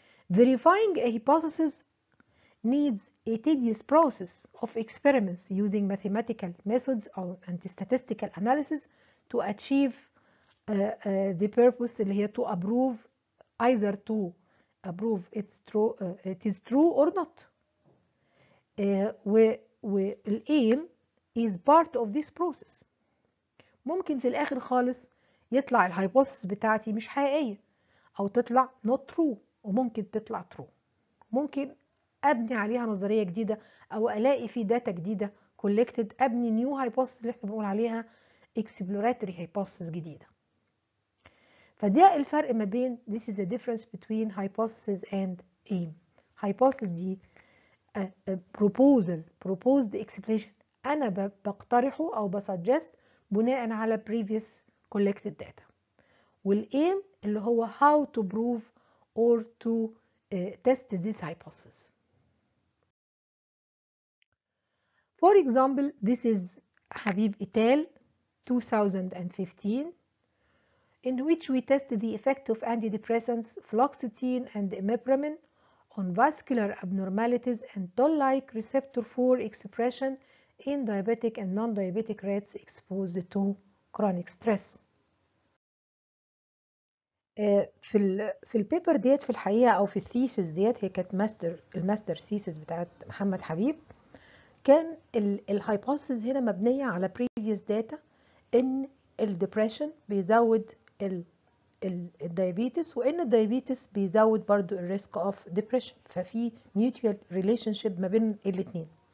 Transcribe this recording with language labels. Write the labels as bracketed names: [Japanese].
[English] Verifying a hypothesis needs a tedious process of experiments using mathematical methods or statistical analysis to achieve the purpose [Arabic] اللي هي [English] to approve either to approve it's true it is true or not. والaim is part of this process. [Arabic] ممكن في الاخر خالص يطلع الهايبوثيسيس بتاعتي مش حقيقيه او تطلع [English] not true، [Arabic] وممكن تطلع true، ممكن ابني عليها نظريه جديده او الاقي في داتا جديده collected ابني new hypothesis اللي احنا بنقول عليها exploratory hypothesis جديده. فده الفرق ما بين [English] this is the difference between hypothesis and aim. hypothesis دي proposal proposed explanation، [Arabic] انا بقترحه او بسجست بناء على [English] previous collected data، والaim [Arabic] اللي هو [English] how to prove or to test this hypothesis. For example, this is Habib et al. 2015, in which we tested the effect of antidepressants fluoxetine and imipramine on vascular abnormalities and toll-like receptor 4 expression in diabetic and non-diabetic rats exposed to chronic stress. [Arabic] في البيبر ديت في الحقيقة أو في الثيسس ديت، هي كانت الماستر ثيسس بتاعت محمد حبيب، كان الهايبوثيسز هنا مبنية على previous data إن الدبريشن بيزود الديابيتس، وان الديابيتس بيزود برضو الريسك اوف ديبريشن، ففي [English] mutual relationship [Arabic] ما بين الاثنين.